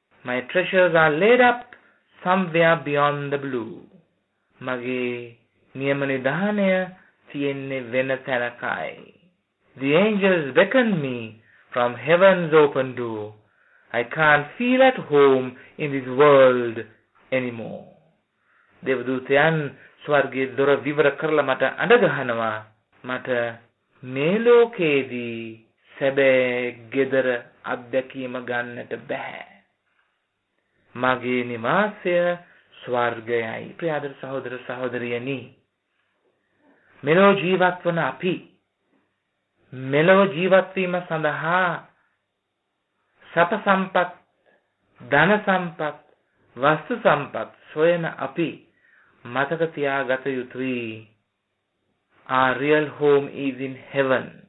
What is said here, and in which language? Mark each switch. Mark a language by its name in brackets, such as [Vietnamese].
[English] "My treasures are laid up somewhere beyond the blue." [Sinhala] මගේ නියම නිධානය තියෙන්නේ වෙන තැනකයි. [English] "The angels beckon me from heaven's open door. I can't feel at home in this world anymore." [Sinhala] දේවදූතයන් ස්වර්ගයේ දොර විවර කරලා මට අඬගහනවා, මට මේ ලෝකේදී සැබෑ ගෙදර අත්දැකීම ගන්නට බෑ. මගේ නිවාසය ස්වර්ගයයි. ප්‍රියාදර සහෝදර සහෝදරියනි, මෙලෝ ජීවත් වන අපි මෙලොව ජීවත්වීම සඳහා සප සම්පත්, ධන සම්පත්, වස්තු සම්පත් සොයන අපි මතක තියාගත යුතුයි. [English] Our real home is in heaven.